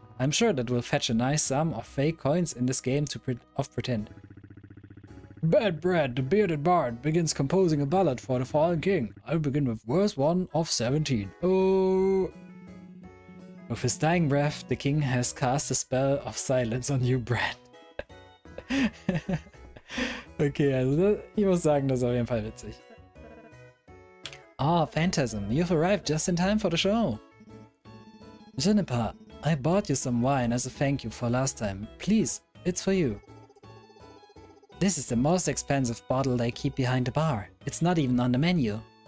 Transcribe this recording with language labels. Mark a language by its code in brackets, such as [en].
[en] I'm sure that will fetch a nice sum of fake coins in this game to pretend. Bad Brad, the bearded bard, begins composing a ballad for the fallen king. I'll begin with verse 1 of 17. Oh. With his dying breath, the king has cast a spell of silence on you, Brad. [de] Okay, also ich muss sagen, das ist auf jeden Fall witzig. [en] Oh, Phantasm, you've arrived just in time for the show. Jennifer, I bought you some wine as a thank you for last time. Please, it's for you. This is the most expensive bottle they keep behind the bar. It's not even on the menu.